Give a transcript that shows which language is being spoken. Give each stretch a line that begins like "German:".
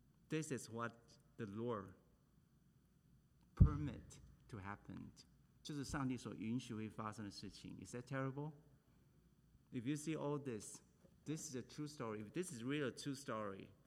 English: This is what the Lord permit to happen.
Chinese: 就是上帝所允许会发生的事情。
English: Is that terrible? If you see all this, this is a true story. If this is really a true story,